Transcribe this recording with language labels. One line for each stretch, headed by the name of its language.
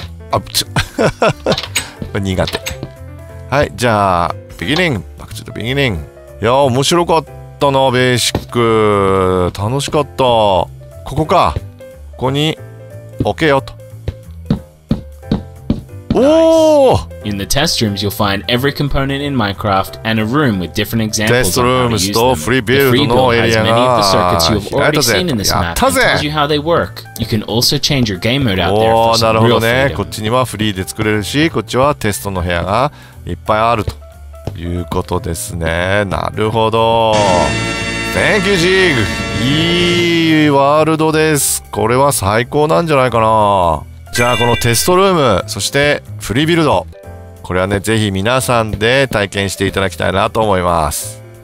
Japanese: あっ、ちょっ苦手。はい、じゃあビギニング、バックトゥザビギニング。いやー、面白かったな、ベーシック楽しかった。ここか、ここに置けよと。おお、
English: In the test rooms, you'll find every component in Minecraft and a room with different examples of how to use them. The free build has many of the circuits you've already seen in this map and tells you how they work. You can also change your game mode out there for some real freedom.
Japanese: こっちにはフリーで作れるし、こっちはテストの部屋がいっぱいあるということですね。なるほど。
English: Thank you,
Japanese: Jig. いいワールドです。これは最高なんじゃないかな。じゃあこのテストルーム、そしてフリービルド、これはね、ぜひ皆さんで体験していただきたいなと思います。